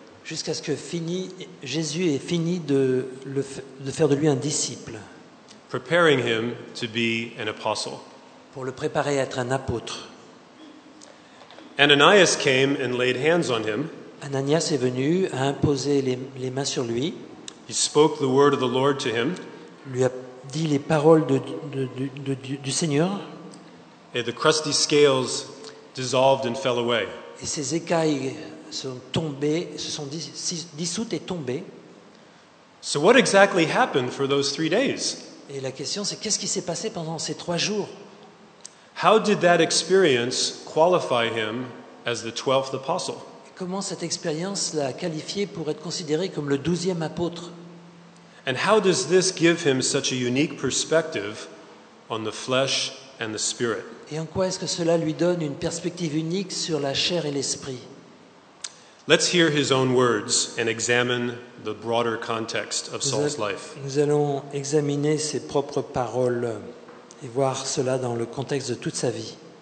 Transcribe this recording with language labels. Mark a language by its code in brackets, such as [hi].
[fr] Jusqu'à ce que Jésus ait fini de faire de lui un disciple. [en] Preparing him to be an apostle. [fr] Pour le préparer à être un apôtre. [en] Ananias came and laid hands on him. [fr] Ananias est venu, a imposé les mains sur lui. [en] He spoke the word of the Lord to him. [fr] Lui a dit les paroles du Seigneur. [en] And the crusty scales dissolved and fell away. [fr] Et ces écailles se sont dissoutes et tombées. [en] So what exactly happened for those 3 days? [fr] Et la question c'est qu'est-ce qui s'est passé pendant ces 3 jours? [en] How did that experience qualify him as the 12th apostle? [fr] Comment cette expérience l'a qualifié pour être considéré comme le 12e apôtre? [en] And how does this give him such a unique perspective on the flesh and the spirit? [fr] Et en quoi est-ce que cela lui donne une perspective unique sur la chair et l'esprit? [en] Let's hear his own words and examine the broader context of Saul's life. [fr] Nous allons examiner ses propres paroles et voir cela dans le contexte de toute sa vie.